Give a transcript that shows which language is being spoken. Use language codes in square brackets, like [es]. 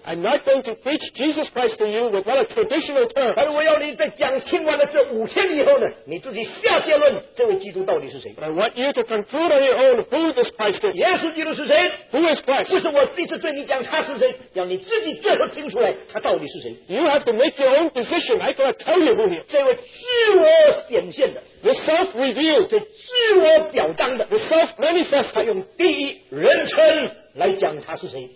[en] I'm not going to preach Jesus Christ to you with a traditional term. [zh] 而我要你在讲听完了这五天以后呢，你自己下结论这位基督到底是谁。 [en] But I want you to conclude on your own who this Christ is. [zh] 耶稣基督是谁？ [en] Who is Christ? [zh] 不是我第一次对你讲他是谁，要你自己最后听出来他到底是谁。 [en] You have to make your own decision. I cannot tell you who he is. [zh] 这位自我显现的, [en] the self-revealed, [zh] 这自我表彰的, [en] the self-manifest, [zh] 他用第一人称来讲他是谁。